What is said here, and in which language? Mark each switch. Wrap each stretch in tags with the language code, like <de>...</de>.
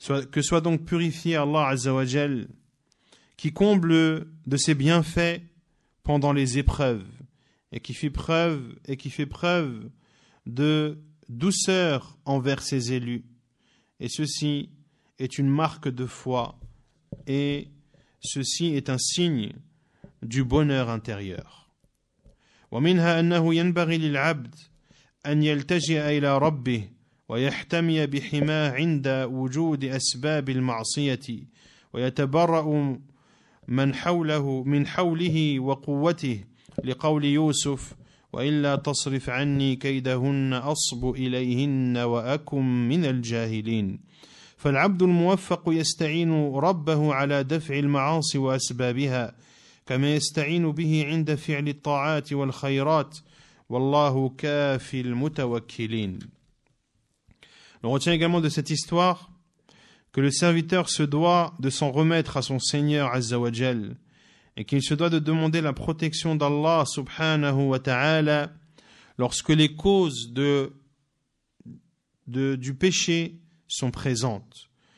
<fr>Que soit donc purifié Allah Azza wa Jal, qui comble de ses bienfaits pendant les épreuves et qui fait preuve de douceur envers ses élus. Et ceci est une marque de foi et ceci est un signe du bonheur intérieur.</fr> <ar>ومنها أنه ينبغي للعبد أن يلتجئ إلى ربه ويحتمي بحما عند وجود أسباب المعصية ويتبرأ من حوله من حوله وقوته لقول يوسف وإلا تصرف عني كيدهن أصب إليهن وأكن من الجاهلين فالعبد الموفق يستعين ربه على دفع المعاصي وأسبابها كما يستعين به عند فعل الطاعات والخيرات والله كافي المتوكلين.</ar> <fr>On retient également de cette histoire que le serviteur se doit de s'en remettre à son Seigneur Azza wa Jal et qu'il se doit de demander la protection d'Allah subhanahu wa ta'ala lorsque les causes du péché sont présentes.</fr>